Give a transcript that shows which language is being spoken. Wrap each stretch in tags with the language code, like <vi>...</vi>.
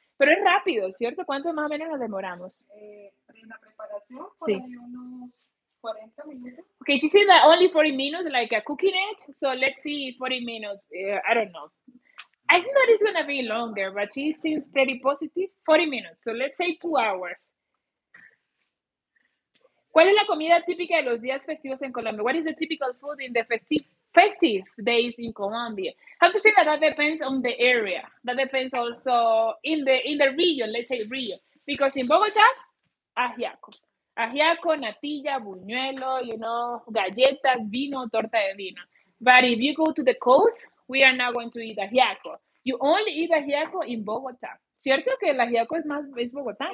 <es>Pero es rápido, ¿cierto? ¿Cuánto más o menos nos demoramos? En la preparación, por sí. Unos 40 minutos.</es> <en>Okay, she said that only 40 minutes, like a cooking it. So let's see 40 minutes. I don't know. I think that it's going to be longer, but she seems pretty positive. 40 minutes, so let's say 2 hours.</en> <es>¿Cuál es la comida típica de los días festivos en Colombia?</es> <en>What is the typical food in the festive days in Colombia? I have to say that depends on the area. That depends also in the region, let's say region. Because in Bogotá, ajiaco. Ajiaco, natilla, buñuelo, you know, galletas, vino, torta de vino. But if you go to the coast, we are not going to eat ajiaco. You only eat ajiaco in Bogotá.</en> <es>¿Cierto que el ajiaco es más, es Bogotá?</es>